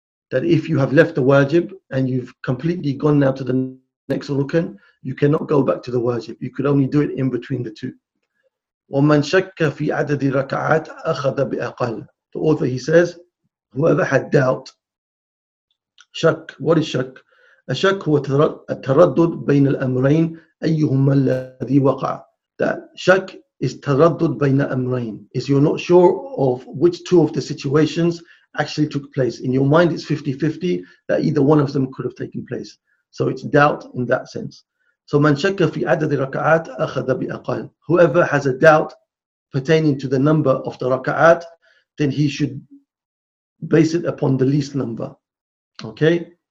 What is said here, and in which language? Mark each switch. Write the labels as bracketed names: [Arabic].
[English] That if you have left the wajib and you've completely gone now to the next rukun, you cannot go back to the wajib. You could only do it in between the two. [Arabic] وَمَنْ شَكَّ فِي عَدَدِ رَكَعَاتِ أَخَذَ بِأَقَلِ [English] The author, he says, whoever had doubt, shak, what is shak? [Arabic] A shak هو التردد بين الأمرين أيهما الذي وقع. [English] That shak is [Arabic] تردد بين الأمرين. [English] Is you're not sure of which two of the situations actually took place. In your mind, it's 50-50 that either one of them could have taken place. So it's doubt in that sense. So [Arabic] مَنْ شَكَّ فِي عَدَدِ رَكَعَاتِ أَخَذَ بِأَقَلِ [English] Whoever has a doubt pertaining to the number of the raka'at, then he should base it upon the least number. Okay?